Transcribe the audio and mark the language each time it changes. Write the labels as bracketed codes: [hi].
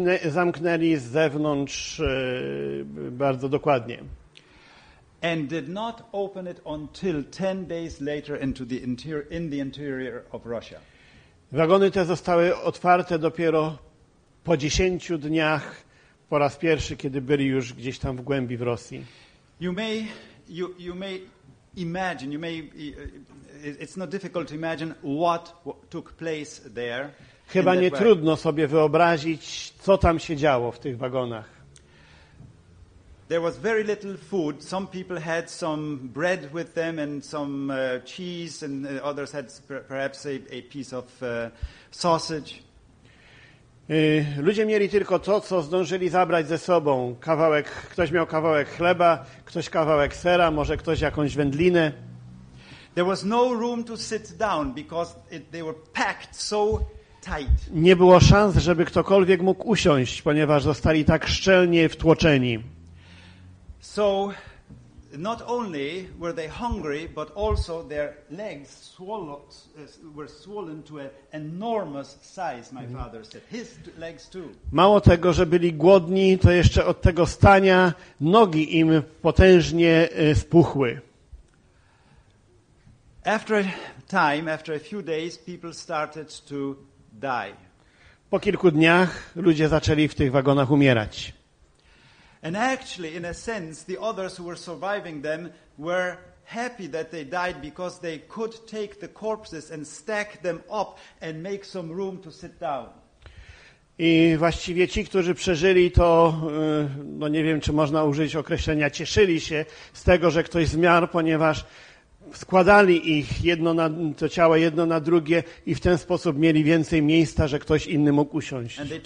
[pl] Zamknęli z zewnątrz bardzo dokładnie. [en] And did not open it until 10 days later into the interior of Russia. [pl] Wagony te zostały otwarte dopiero po 10 dniach, po raz pierwszy, kiedy byli już gdzieś tam w głębi w Rosji. [en] You may imagine, you may, it's not difficult to imagine what took place there. [pl] Chyba nie trudno sobie wyobrazić, co tam się działo w tych wagonach. [en] There was very little food. Some people had some bread with them and some cheese, and others had perhaps a piece of sausage. [pl] Ludzie mieli tylko to, co zdążyli zabrać ze sobą. Ktoś miał kawałek chleba, ktoś kawałek sera, może ktoś jakąś wędlinę. [en] There was no room to sit down because they were packed so tight. [pl] Nie było szans, żeby ktokolwiek mógł usiąść, ponieważ zostali tak szczelnie wtłoczeni. [en] So not only were they hungry, but also their legs were swollen to an enormous size, my father said. His legs too. [pl] Mało tego, że byli głodni, to jeszcze od tego stania nogi im potężnie spuchły. [en] After a time, after a few days, people started to die. [pl] Po kilku dniach ludzie zaczęli w tych wagonach umierać. [en] And actually, in a sense, the others who were surviving them were happy that they died because they could take the corpses and stack them up and make some room to sit down. [pl] I właściwie ci, którzy przeżyli, to no nie wiem, czy można użyć określenia, cieszyli się z tego, że ktoś zmarł, ponieważ składali ich jedno na to ciało, jedno na drugie i w ten sposób mieli więcej miejsca, że ktoś inny mógł usiąść.